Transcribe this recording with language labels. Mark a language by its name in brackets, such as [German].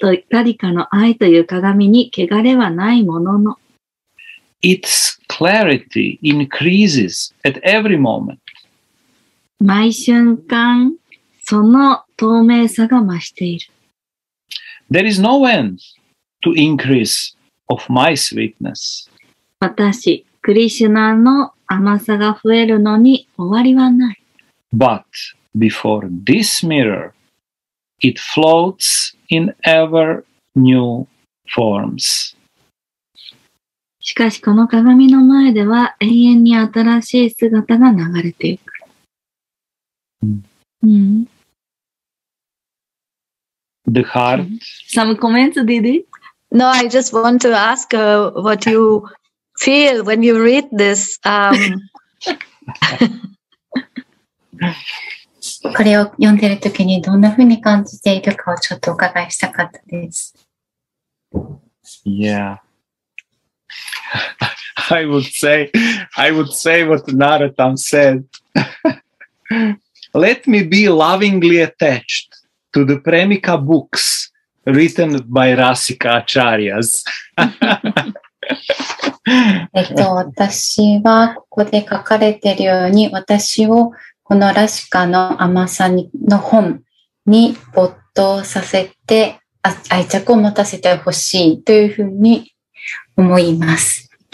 [Japanese] Radhika の愛という鏡に汚れはないものの、 [English] Its clarity increases at every moment. [Japanese] 毎瞬間その透明さが増している。 [English] There is no end to increase of my sweetness. [Japanese] 私クリシュナの甘さが増えるのに終わりはない。 [English] But before this mirror, it floats in ever new forms. [Japanese] しかしこの鏡の前では永遠に新しい姿が流れていく。 [English] The heart. Some comments, Didi? No, I just want to ask what you feel when you read this. [Japanese] これを読んでるときにどんなふうに感じているかをちょっとお伺いしたかったです。 [English] Yeah. I would say what Narottam said. Let me be lovingly attached to the Premika books written by Rasika Acharyas. [Japanese] 私はここで書かれているように私をこのラシカの甘さにの本に没頭させて愛着を持たせてほしいというふうに思います。